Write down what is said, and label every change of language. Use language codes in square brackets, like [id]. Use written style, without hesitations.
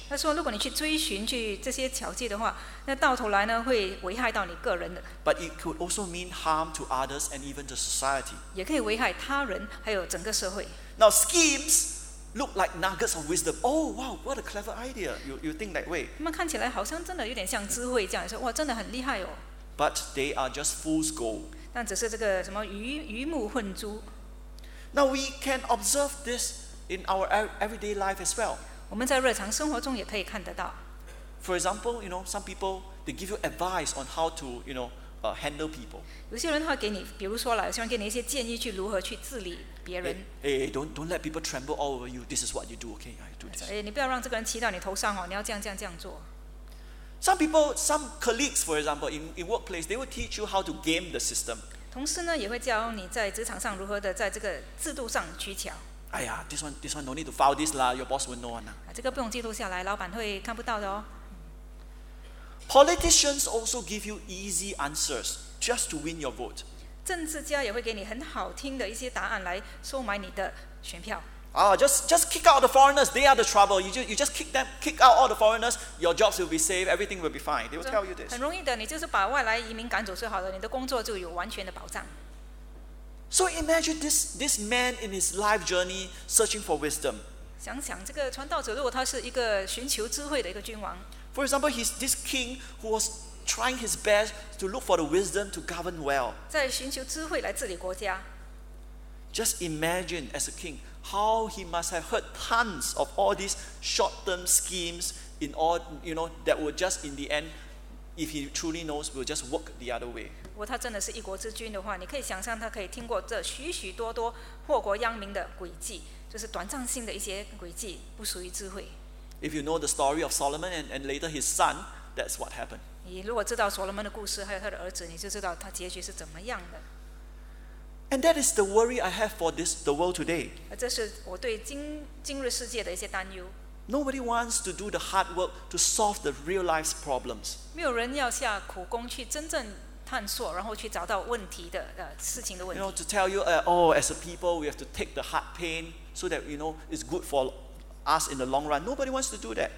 [zh] 他说如果你去追寻去这些巧计的话，那到头来呢会危害到你个人的。 [en] But it could also mean harm to others and even the society. [zh] 也可以危害他人还有整个社会。 [en] Now schemes look like nuggets of wisdom. Oh, wow, what a clever idea. You think that way. [zh] 他们看起来好像真的有点像智慧这样，说哇，真的很厉害哦。 [en] But they are just fool's gold. [zh] 但只是这个什么鱼目混珠。 [en] Now we can observe this in our everyday life as well. [zh] 我们在日常生活中也可以看得到。 [en] For example, you know, some people, they give you advice on how to, you know,handle people. [zh] 有些人他给你，比如说了，想给你一些建议，去如何去治理别人。 [en] Hey, don't let people tremble all over you. This is what you do, okay? I do this. [zh] 哎，你不要让这个人骑到你头上哦，你要这样做。 [en] Some colleagues, for example, in workplace, they will teach you how to game the system. [zh] 同事呢，也会教你在职场上如何的在这个制度上取巧。 [en] 哎呀，this one no need to file this lah. Your boss won't know one. [zh] 这个不用记录下来，老板会看不到的哦。 [en] Politicians also give you easy answers just to win your vote. [zh] 政治家也会给你很好听的一些答案来收买你的选票。 [en] Just kick out the foreigners. They are the trouble. You just kick them, kick out all the foreigners. Your jobs will be safe. Everything will be fine. They will tell you this. [zh] 很容易的，你就是把外来移民赶走就好了，你的工作就有完全的保障。 [en] So imagine this man in his life journey searching for wisdom. [zh] 想想这个传道者，如果他是一个寻求智慧的一个君王。 [en] For example, he's this king who was trying his best to look for the wisdom to govern well. [zh] 在寻求智慧来治理国家。 [en] Just imagine as a king how he must have heard tons of all these short-term schemes in all, you know, that would just in the end, if he truly knows, will just work the other way. [zh] 如果他真的是一国之君的话，你可以想象他可以听过这许许多多祸国殃民的诡计，就是短暂性的一些诡计，不属于智慧。 [en] If you know the story of Solomon and later his son, that's what happened. [zh] 你如果知道所罗门的故事还有他的儿子，你就知道他结局是怎么样的。 [en] And that is the worry I have for the world today. [zh] 这是我对今日世界的一些担忧。 [en] Nobody wants to do the hard work to solve the real life's problems. [zh] 没有人要下苦功去真正探索，然后去找到问题的事情的问题。 [en] You know, to tell you, as a people, we have to take the hard pain so that you know it's good for. Us in the long run, nobody wants to do that.